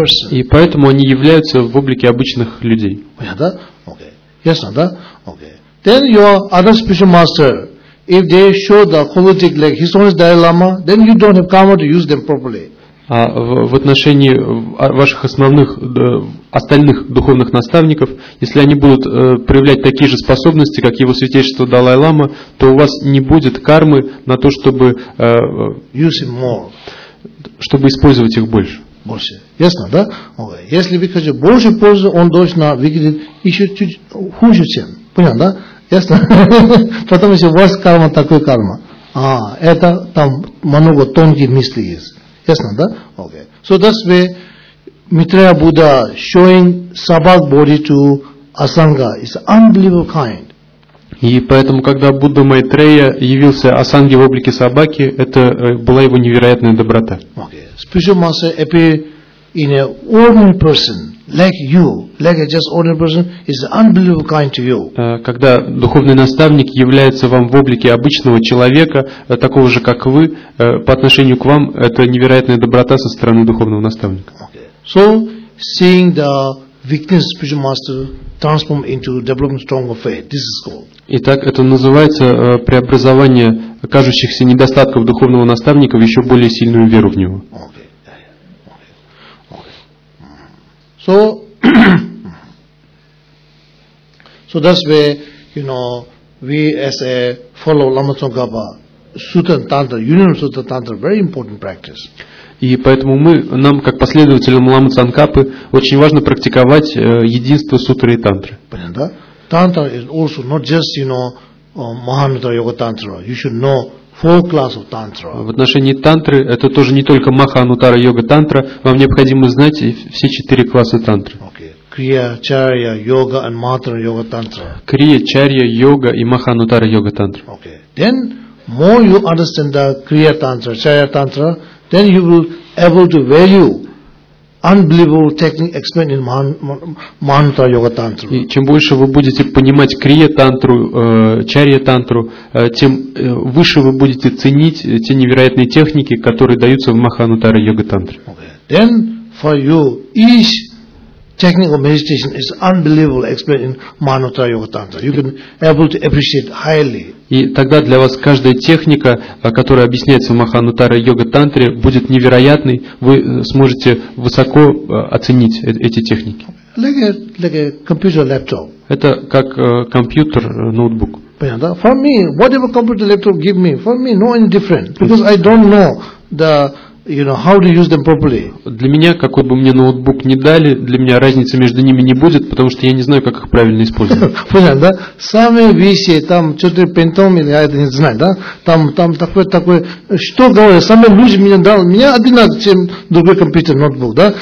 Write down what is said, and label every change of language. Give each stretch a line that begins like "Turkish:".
Russian: И поэтому они являются в облике обычных людей. Понятно? Okay. Ясно, да? Okay.
English: Then your other special master, if they show the quality like his own Dalai Lama, then you don't have karma to use them properly.
Russian: А в отношении ваших основных, остальных духовных наставников, если они будут проявлять такие же способности, как его святейшество Далай-Лама, то у вас не будет кармы на то, чтобы,
English: use him more.
Russian: Чтобы использовать их больше. Больше. Ясно, да? Okay. Если вы хотите больше пользы, он должен выглядеть еще чуть хуже, чем. Понял, да? Ясно? Потому что у вас карма, такой карма. А, это там много тонких мыслей есть. Ясно, да? Okay.
English: So that's where Maitreya Buddha showing Sabak body to Asanga is unbelievable kind.
Russian: И поэтому, когда Будда Майтрея явился Асанге в облике собаки, это была его невероятная доброта.
English: Okay. Special master appear in an ordinary person like you, like a just ordinary person, is unbelievable kind to you.
Russian: Когда духовный наставник является вам в облике обычного человека, такого же, как вы, по отношению к вам, это невероятная доброта со стороны духовного наставника.
English: Okay. So, seeing the weakness of spiritual master transform into developing stronger faith, this is called.
Russian: Итак, это называется преобразование кажущихся недостатков духовного наставника в еще более сильную веру в него.
English: Okay. So, so that's where, you know, we as a follower of Lama Tsongkhapa, Sutta and Tantra, Union of Sutta Tantra, very important practice.
Russian: И поэтому мы, нам, как последователям Ламы Цанкапы, очень важно практиковать единство сутры и тантры. Понятно?
English: Тантра is also not just, you know, Mahamudra Yoga Tantra. You should know four classes of Tantra.
Russian: В отношении тантры, это тоже не только Mahamudra Yoga Tantra, вам необходимо знать все четыре класса тантры. Крия, Чарья, Йога and Mahamudra Yoga Tantra. Крия, Чарья, Йога и Mahamudra Yoga Tantra.
English: Okay. Then, more you understand the Крия Тантра, Чарья Тантра, then you will able to value unbelievable technique explained in Mahamudra Yoga Tantra.
Russian: И чем больше вы будете понимать Крия Тантру, Чарья Тантру, тем выше вы будете ценить те невероятные техники, которые даются в Mahamudra Yoga Tantra.
English: Then for you each technique of meditation is unbelievable explained in Mahamudra Yoga Tantra. You can able to appreciate highly.
Russian: И тогда для вас каждая техника, которая объясняется в Mahamudra Yoga Tantra, будет невероятной. Вы сможете высоко оценить эти техники.
English: Like a computer laptop.
Russian: Это как компьютер, ноутбук. Понятно?
English: For me, whatever computer laptop give me, for me no any different, because I don't know the, you know, how to use them properly.
Russian: Для меня, какой бы мне ноутбук ни дали, для меня разницы между ними не будет, потому что я не знаю, как их правильно использовать. Понятно, да? Самые вещи, там, что-то пентом, или я это не знаю, да? Там такое, что говорят, самые люди мне дали, меня одинаково, чем другой компьютер, ноутбук, да?